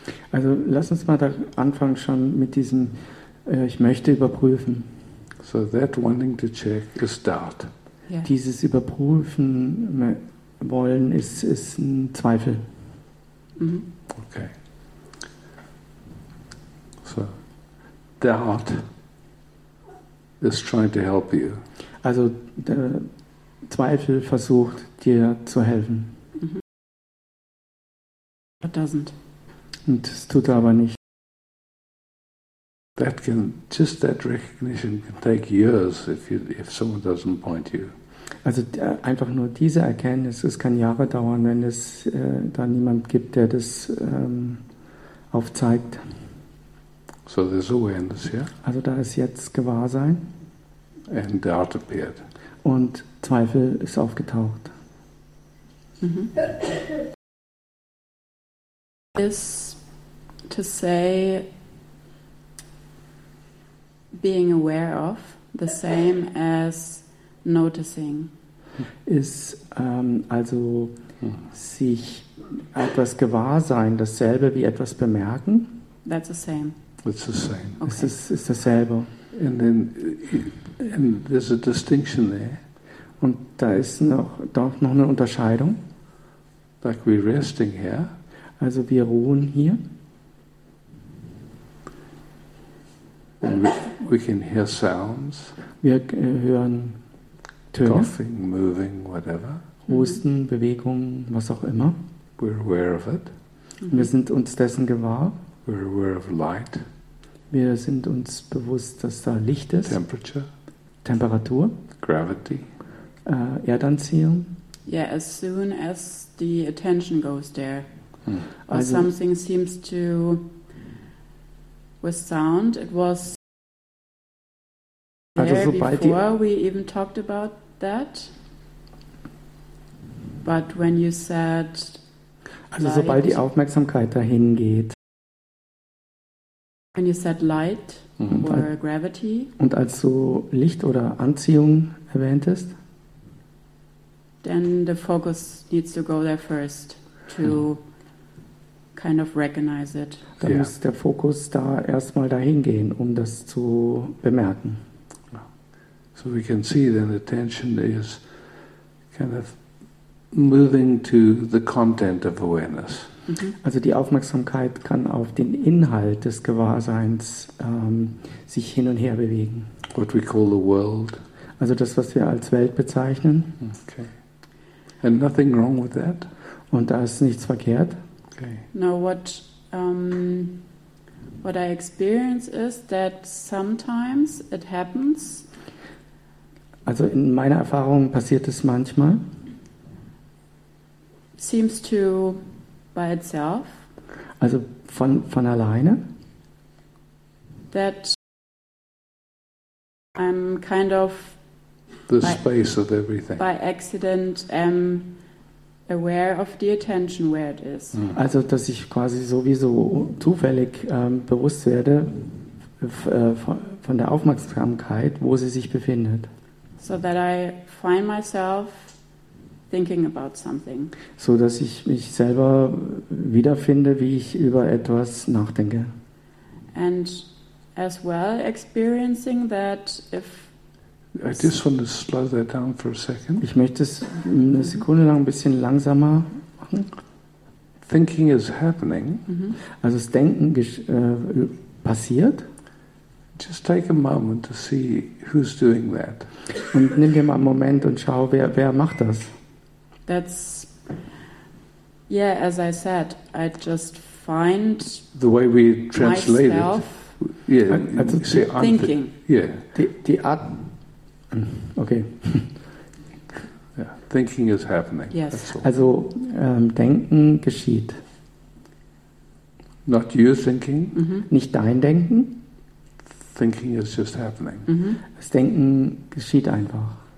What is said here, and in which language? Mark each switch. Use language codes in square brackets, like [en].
[de] Also lass uns mal da anfangen schon mit diesem. Ich möchte überprüfen. [en] So that wanting to check is doubt. Yeah. [de] Dieses Überprüfen wollen ist ein Zweifel. [en] Mm-hmm. Okay. So doubt is trying to help you. [de] Also der Zweifel versucht dir zu helfen. Mm-hmm. [en] It doesn't. [de] Und es tut aber nicht. [en] That can just that recognition can take years if someone doesn't point you. [de] Also einfach nur diese Erkenntnis, es kann Jahre dauern, wenn es da niemand gibt, der das aufzeigt. [en] So there's awareness, yeah? [de] Also da ist jetzt Gewahrsein. [en] And doubt appeared. [de] Und Zweifel ist aufgetaucht. Mm-hmm. [en] Is to say being aware of the same as noticing. [de] Ist also sich etwas gewahr sein, dasselbe wie etwas bemerken? [en] That's the same. It's the same. [de] Okay. Ist dasselbe. [en] And then and there's a distinction there. [de] Und da ist doch noch eine Unterscheidung. [en] Like we're resting here. [de] Also wir ruhen hier. [en] And we can hear sounds. [de] Wir hören Töne. [en] Coughing, moving, whatever. [de] Husten, Bewegung, was auch immer. [en] We're aware of it. [de] Wir sind uns dessen gewahr. [en] We're aware of light. [de] Wir sind uns bewusst, dass da Licht ist. [en] Temperature. [de] Temperatur. [en] Gravity. [de] Erdanziehung. [en] Yeah, as soon as the attention goes there, or also, something seems to with sound, it was. [de] Also sobald [en] before we even talked about that, but when you said, [de] also light, sobald die Aufmerksamkeit dahin geht, [en] when you said light or gravity, [de] und als du Licht oder Anziehung erwähntest, [en] then the focus needs to go there first to kind of recognize it. [de] Dann muss der Fokus da erstmal dahin gehen, um das zu bemerken. [en] So we can see then attention is kind of moving to the content of awareness. Mm-hmm. [de] Also die Aufmerksamkeit kann auf den Inhalt des Gewahrseins sich hin und her bewegen. [en] What we call the world. [de] Also das, was wir als Welt bezeichnen. [en] Okay. And nothing wrong with that. [de] Und da ist nichts verkehrt. [en] Okay. Now what I experience is that sometimes it happens. [de] Also in meiner Erfahrung passiert es manchmal. [en] Seems to by itself. [de] Also von alleine. [en] That I'm kind of the space of everything. By accident am aware of the attention where it is. [de] Also dass ich quasi sowieso zufällig bewusst werde von der Aufmerksamkeit, wo sie sich befindet. [en] So that I find myself thinking about something. [de] So dass ich mich selber wiederfinde, wie ich über etwas nachdenke. [en] And as well experiencing that if I just want to slow that down for a second. [de] Ich möchte es eine Sekunde lang ein bisschen langsamer machen. [en] Thinking is happening. [de] Also das Denken passiert. [en] Just take a moment to see who's doing that. [de] Und nimm dir mal einen Moment und schau, wer macht das. [en] That's, yeah, as I said, I just find the way we translate myself. It. Yeah, also you say thinking. Yeah. [de] Die Art. Okay. [en] Yeah, Thinking is happening. Yes. [de] Also, Denken geschieht. [en] Not your thinking. [de] Mm-hmm. Nicht dein Denken. [en] Thinking is just happening. Mm-hmm. [de] Das Denken geschieht einfach.